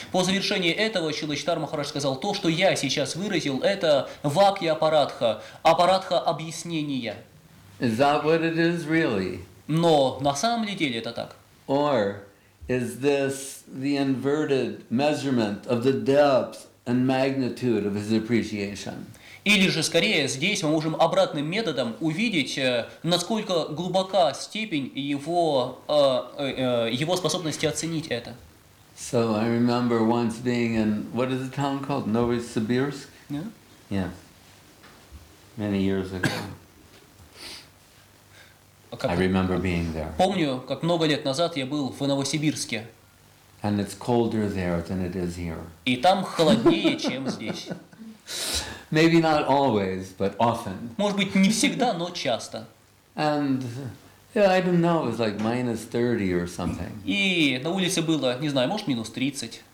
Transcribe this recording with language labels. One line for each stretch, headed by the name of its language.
Russian: По завершении этого Шрила Читар Махарадж сказал, то, что я сейчас выразил, это вакья апаратха, апаратха объяснения.
English: Is that what it is really?
Russian: Но на самом ли деле это так?
English: Or is this the inverted measurement of the depth and magnitude of his appreciation?
Russian: Или же, скорее, здесь мы можем обратным методом увидеть, насколько глубока степень его способности оценить это.
English: So I remember once being in, what is the town called? Novosibirsk? Yeah. Yeah. Many years ago. I remember being there.
Russian: Помню, как много лет назад я был в Новосибирске.
English: And it's colder there than it is here.
Russian: И там холоднее, чем здесь.
English: Maybe not always, but often.
Russian: Может быть, не всегда, но часто.
English: And yeah, I don't know, it was like minus 30 or something.
Russian: И на улице было, не знаю, может, минус 30.